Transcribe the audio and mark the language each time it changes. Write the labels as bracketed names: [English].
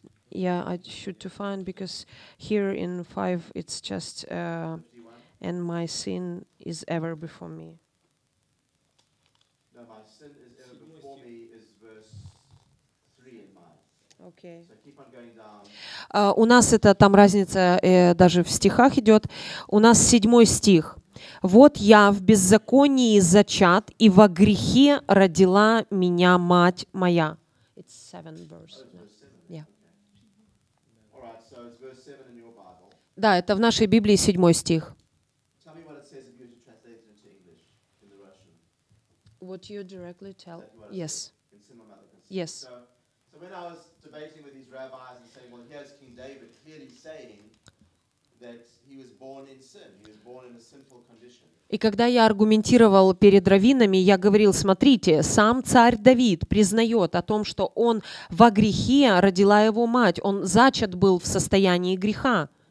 [English] Yeah, I should to find, because here in 5 it's just... And my sin is ever before me. No, my sin is ever before me is verse 3 in mine. Okay. So keep on going down. [Russian] У нас это там разница даже в стихах идет. У нас 7 стих. Вот я в беззаконии зачат, и во грехе родила меня мать моя. [English] It's 7 verse. Yeah. All right, so it's verse 7 in your Bible. [Russian] Да, это в нашей Библии 7 стих. [English] What you directly tell? Yes. Yes. So when I was debating with these rabbis and saying, well, here's King David clearly saying that he was born in sin. He was born in a sinful condition. [Russian] И когда я аргументировал перед раввинами, я говорил, смотрите, сам царь Давид признает о том, что он во грехе родила его мать. Он зачат был в состоянии греха.